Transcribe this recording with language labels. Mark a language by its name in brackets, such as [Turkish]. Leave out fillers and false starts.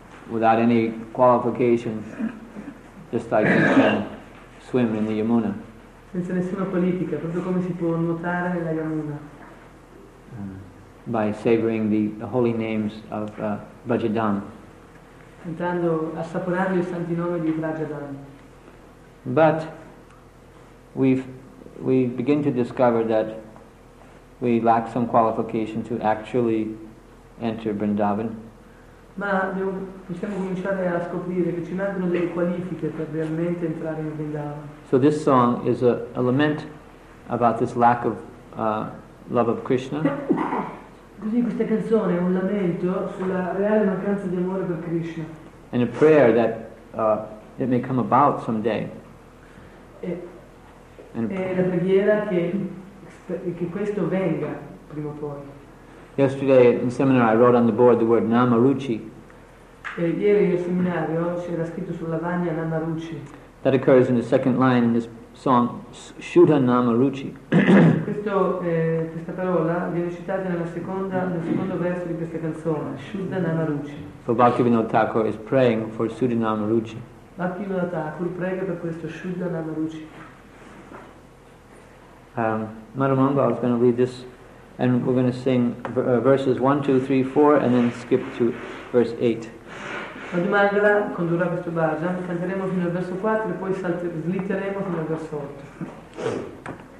[English] Without any qualifications, just like you can swim in the Yamuna. [Italian] Senza nessuna qualifica, proprio come si può nuotare nella Yamuna. [English] By savoring the holy names of Vrajadhan. [Italian] Cantando, assaporando i santi nomi di Vrajadhan. [English] But we begin to discover that we lack some qualification to actually enter Vrindavan. [Italian] Ma possiamo cominciare a scoprire che ci mancano delle qualifiche per realmente entrare in Vrindavan. [English] So this song is a lament about this lack of love of Krishna. [Italian] Così questa canzone è un lamento sulla reale mancanza di amore per Krishna. [English] And a prayer that it may come about someday. [Italian] La preghiera che questo venga prima o poi. [English] Yesterday in seminar I wrote on the board the word Namaruchi. [Italian] Ieri nel seminario c'era scritto sulla lavagna Namaruchi. [English] That occurs in the second line in this song, Shuddha Namaruchi. [Italian] Questa parola viene citata nel secondo verso di questa canzone, Shuddha Namaruchi. [English] So Bhaktivinoda Thakur is praying for Shuddha Namaruchi. [Italian] Bhaktivinoda Thakur prega per questo Shuddha Namaruchi. [English] Madhu Mangala is going to lead this, and we're going to sing verses 1, 2, 3, 4, and then skip to verse 8. [Italian] Madhu Mangala condurrà questo bhajan, canteremo fino al verso 4 e poi slitteremo fino al verso 8.